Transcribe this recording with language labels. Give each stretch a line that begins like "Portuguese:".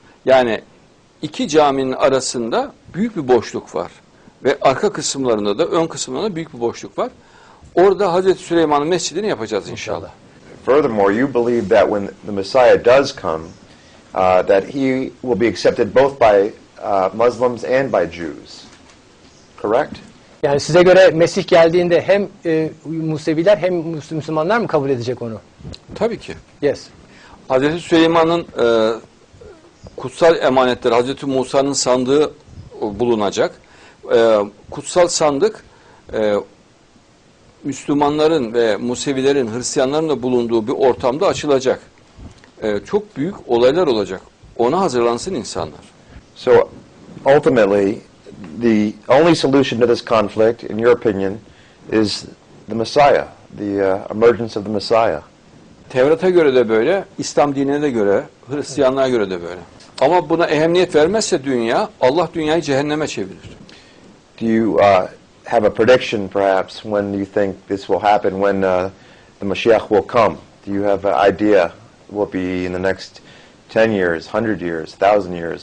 Turkish: Yani iki caminin arasında büyük bir boşluk var. Ve arka kısımlarında da, ön kısımlarında büyük bir boşluk var. Orada Hazreti Süleyman'ın mescidini yapacağız inşallah.
English: Furthermore, you believe that when the Messiah does come, that he will be accepted both by Muslims and by Jews. Correct?
Turkish: Yani size göre Mesih geldiğinde hem Museviler hem Müslümanlar mı kabul edecek onu? Tabii ki.
English: Yes.
Turkish: Hazreti Süleyman'ın kutsal emanetleri, Hazreti Musa'nın sandığı bulunacak. Kutsal sandık Müslümanların ve Musevilerin, Hristiyanların da bulunduğu bir ortamda açılacak. çok büyük olaylar olacak. Ona hazırlansın insanlar.
English: So ultimately the only solution to this conflict in your opinion is the Messiah, the emergence of the Messiah.
Turkish: Tevrat'a göre de böyle, İslam dinine de göre, Hristiyanlığa göre de böyle. Ama buna ehemmiyet vermezse dünya, Allah dünyayı cehenneme çevirir.
English: Do you have a prediction perhaps when you think this will happen, when the Mashiach will come? Do you have an idea what will be in the next 10 years, 100 years, 1000 years?